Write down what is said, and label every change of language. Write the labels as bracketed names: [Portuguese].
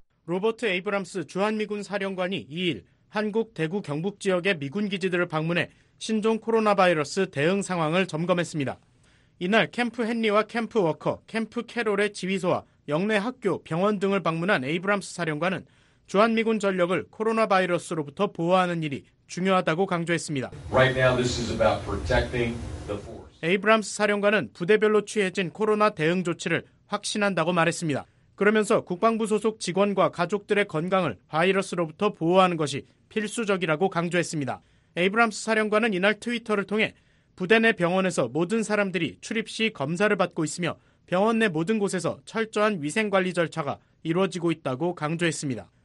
[Korean] 로버트 에이브람스 주한미군 사령관이 2일 한국 대구 경북 지역의 미군 기지들을 방문해 신종 코로나 바이러스 대응 상황을 점검했습니다. 이날 캠프 헨리와 캠프 워커, 캠프 캐롤의 지휘소와 영내 학교, 병원 등을 방문한 에이브람스 사령관은 주한미군 전력을 코로나 바이러스로부터 보호하는 일이 중요하다고 강조했습니다. [English] Right now, this is about protecting the force. [Korean] 에이브람스 사령관은 부대별로 취해진 코로나 대응 조치를 확신한다고 말했습니다. 그러면서 국방부 소속 직원과 가족들의 건강을 바이러스로부터 보호하는 것이 필수적이라고 강조했습니다. 에이브람스 사령관은 이날 트위터를 통해 부대 내 병원에서 모든 사람들이 출입 시 검사를 받고 있으며 병원 내 모든 곳에서 철저한 위생관리 절차가 이루어지고 있다고 강조했습니다.